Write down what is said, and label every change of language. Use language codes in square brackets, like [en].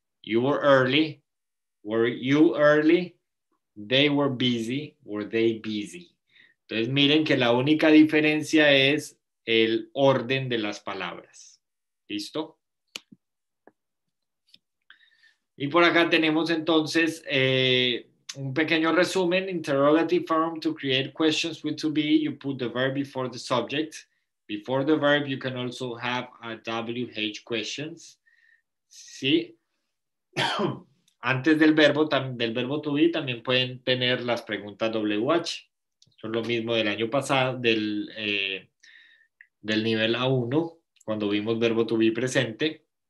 [en] You were early. Were you early? They were busy. Were they busy? [es] Entonces, miren que la única diferencia es el orden de las palabras. ¿Listo? Y por acá tenemos entonces un pequeño resumen. [en] Interrogative form to create questions with to be. You put the verb before the subject. Before the verb, you can also have a WH questions. [es] ¿Sí? Antes del verbo to be, también pueden tener las preguntas WH. Son lo mismo del año pasado, del nivel A1, cuando vimos verbo to be presente.